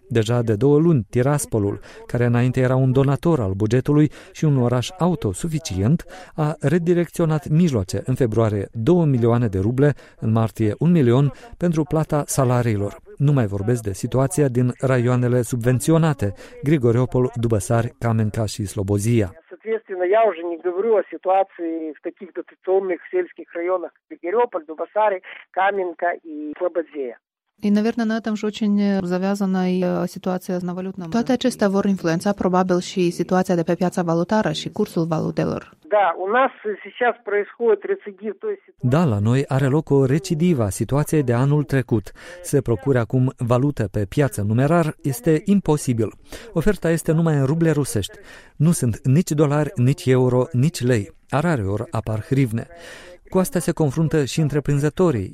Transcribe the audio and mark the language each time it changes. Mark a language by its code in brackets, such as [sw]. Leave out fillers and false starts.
[ro] Deja de două luni, Tiraspolul, care înainte era un donator al bugetului și un oraș autosuficient, a redirecționat mijloace, în februarie 2 milioane de ruble, în martie 1 milion, pentru plata salariilor. Nu mai vorbesc de situația din raioanele subvenționate, Grigoriopol, Dubăsari, Kamenka și Slobozia. [ru] Я уже не говорю о ситуации в таких дотационных сельских районах, как Грегориополь, Дубасари, Каменка и Слободзея. И, наверное, на этом же очень завязана и ситуация на валютном. [ro] Toate acestea vor influența probabil și situația de pe piața valutară și cursul valutelor. [ru] Да, у нас сейчас происходит рецидив той ситуации. [ro] Да, la noi are loc o recidivă a situației de anul trecut. Să procure acum valută pe piață numerar este imposibil. Oferta este numai în ruble rusești. Nu sunt nici dolari, nici euro, nici lei. Rareori apar hrivne. Cu asta se confruntă și întreprinzătorii.